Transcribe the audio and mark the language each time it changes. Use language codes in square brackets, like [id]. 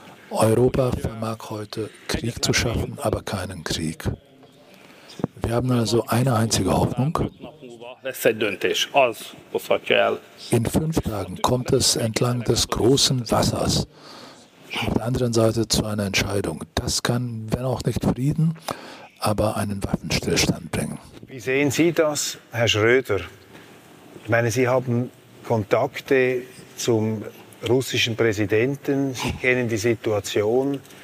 [de] Europa vermag heute Krieg zu schaffen, aber keinen Krieg. Wir haben also eine einzige Hoffnung, [hu] lesz egy döntés, az hozhatja el. [de] In fünf Tagen kommt es entlang des großen Wassers auf der anderen Seite zu einer Entscheidung. Das kann, wenn auch nicht Frieden, aber einen Waffenstillstand bringen. Wie sehen Sie das, Herr Schröder? Ich meine, Sie haben Kontakte zum russischen Präsidenten, Sie kennen die Situation.